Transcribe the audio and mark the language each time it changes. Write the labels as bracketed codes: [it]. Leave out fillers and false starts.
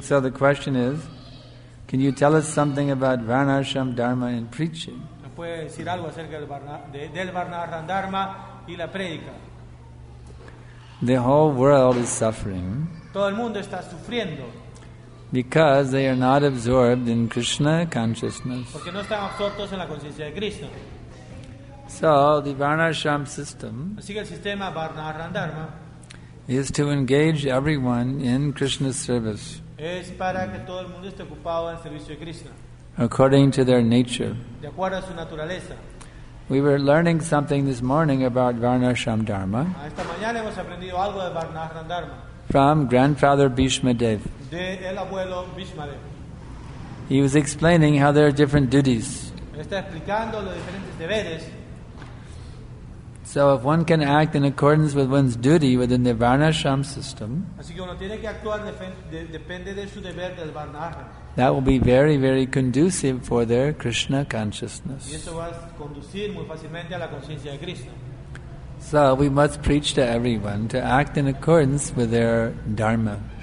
[en] So the question is, can you tell us something about Varnasham Dharma and preaching? The whole world is suffering. [es] Todo el mundo está sufriendo. [en] Because they are not absorbed in Krishna consciousness. [es] Porque no están absortos en la conciencia de Cristo. [en] So the Varnasham system, [es] así que el sistema Varnasham, [en] is to engage everyone in Krishna's service. [es] Es para que todo el mundo esté ocupado en servicio de Krishna. [en] According to their nature. [es] De acuerdo a su naturaleza. [en] We were learning something this morning about Varnasham Dharma. [es] Esta mañana hemos aprendido algo de Varnasham Dharma. [en] From Grandfather Bhishma Dev. [es] De el abuelo Bhishma Dev. [en] He was explaining how there are different duties. [es] Está explicando los diferentes deberes. [en] So if one can act in accordance with one's duty within the Varnasham system, [es] así que uno tiene que actuar depende de su deber del Varnasham. [en] That will be very, very conducive for their Krishna consciousness. [es] Y eso va a conducir muy fácilmente a la conciencia de Krishna. [en] So we must preach to everyone to act in accordance with their dharma.